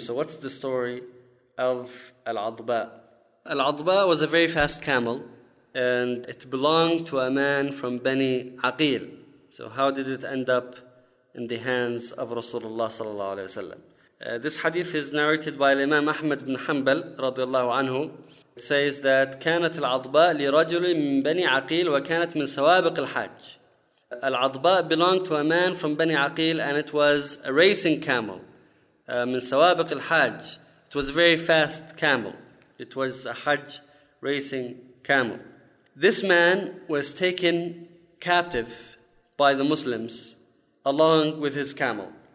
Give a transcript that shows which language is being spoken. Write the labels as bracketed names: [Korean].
[English] So what's the story of al-Adba? Al-Adba was a very fast camel, and it belonged to a man from Bani Aqil. So how did it end up in the hands of Rasulullah sallallahu alayhi wa sallam? This hadith is narrated by Imam Ahmad ibn Hanbal radiallahu anhu. It says that [Arabic] كانت العضباء لرجل من بني عقيل وكانت من سوابق الحج. [English] العضباء belonged to a man from Bani Aqil, and it was a racing camel. [Arabic] من سوابق الحج. [English] It was a very fast camel. It was a Hajj racing camel. This man was taken captive by the Muslims along with his camel.